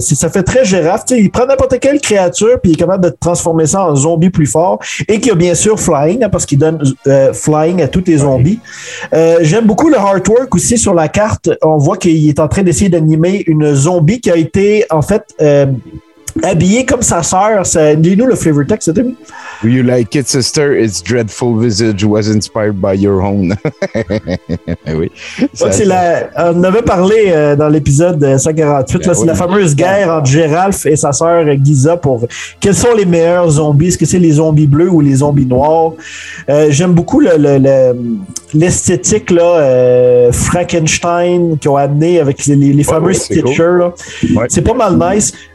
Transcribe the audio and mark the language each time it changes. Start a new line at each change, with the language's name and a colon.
French: Ça fait très girafe. T'sais, il prend n'importe quelle créature puis il est capable de transformer ça en zombie plus fort et qui a bien sûr flying hein, parce qu'il donne flying à tous tes zombies. J'aime beaucoup le artwork aussi sur la carte. On voit qu'il est en train d'essayer d'animer une zombie qui a été en fait... habillé comme sa sœur, dis-nous le flavor text, c'était bien.
English: You like it, sister? Its dreadful visage was inspired by your own.
French: Oui. On avait parlé dans l'épisode 148, la fameuse guerre entre Géralf et sa sœur Giza pour quels sont les meilleurs zombies. Est-ce que c'est les zombies bleus ou les zombies noirs? J'aime beaucoup l'esthétique Frankenstein qu'ils ont amené avec les fameux Stitcher. C'est pas mal nice.